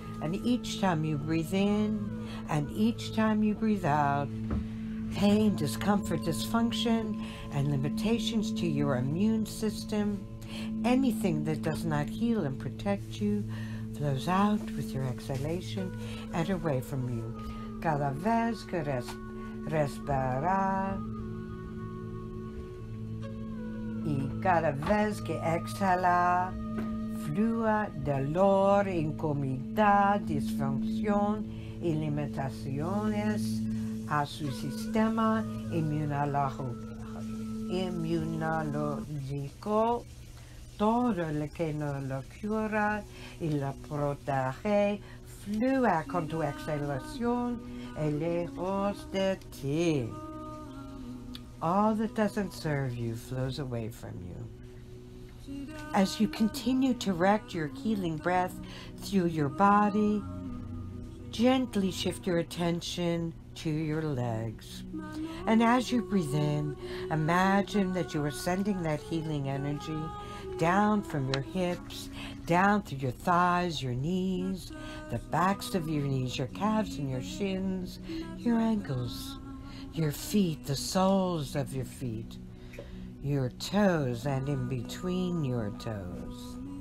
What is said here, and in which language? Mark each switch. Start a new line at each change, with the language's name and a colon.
English: And each time you breathe in and each time you breathe out, pain, discomfort, dysfunction, and limitations to your immune system, anything that does not heal and protect you, flows out with your exhalation and away from you.
Spanish: Cada vez que respirar, y cada vez que exhala, flúa dolor, incomodidad, disfunción y limitaciones a su sistema inmunológico. Todo lo que no lo cura y lo protege, flúa con tu exhalación y lejos de ti.
English: All that doesn't serve you flows away from you. As you continue to direct your healing breath through your body, gently shift your attention to your legs. And as you breathe in, imagine that you are sending that healing energy down from your hips, down through your thighs, your knees, the backs of your knees, your calves and your shins, your ankles, your feet, the soles of your feet, your toes, and in between your toes.